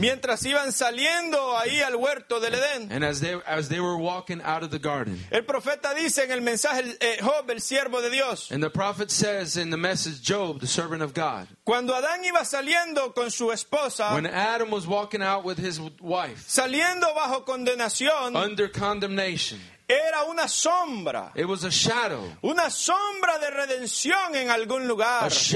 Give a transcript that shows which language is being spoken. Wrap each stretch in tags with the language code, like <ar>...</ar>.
<es>Mientras iban saliendo ahí al huerto del Edén.</es> <en>And as they were walking out of the garden.</en> <es>El profeta dice en el mensaje Job, el siervo de Dios.</es> <en>And the prophet says in the message Job, the servant of God.</en> <es>Cuando Adán iba saliendo con su esposa.</es> <en>When Adam was walking out with his wife.</en> <es>Saliendo bajo condenación.</es> <en>Under condemnation.</en> <es>Era una sombra.</es> <en>It was a shadow.</en> <es>Una sombra de redención en algún lugar.</es>